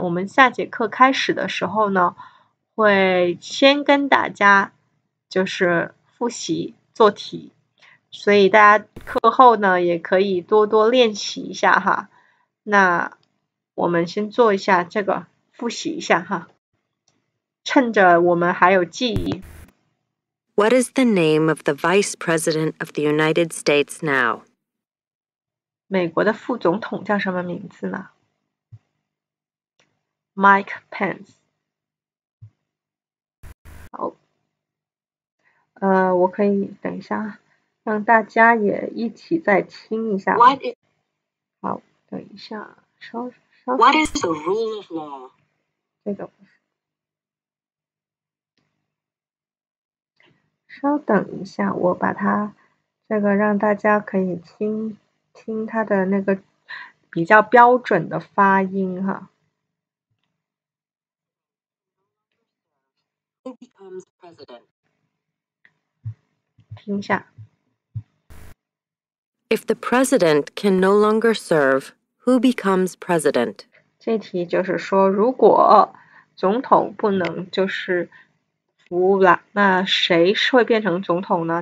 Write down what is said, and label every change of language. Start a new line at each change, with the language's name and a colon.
Chinese: 我们下节课开始的时候呢，会先跟大家就是复习做题，所以大家课后呢也可以多多练习一下哈。那我们先做一下这个复习一下哈，趁着我们还有记忆。
English: What is the name of the Vice President of the United States now?
Chinese: 美国的副总统叫什么名字呢？
English: Mike Pence。
Chinese: 好，我可以等一下让大家也一起再听一下。
English: What is...
Chinese: 好，等一下稍微。
English: What is the rule of law?
Chinese: 这个不是。稍等一下，我把它这个让大家可以听听它的那个比较标准的发音哈。
English: Who becomes president?
Chinese: 听一下。
English: If the president can no longer serve, who becomes president?
Chinese: 这题就是说，如果总统不能就是服务了，那谁会变成总统呢？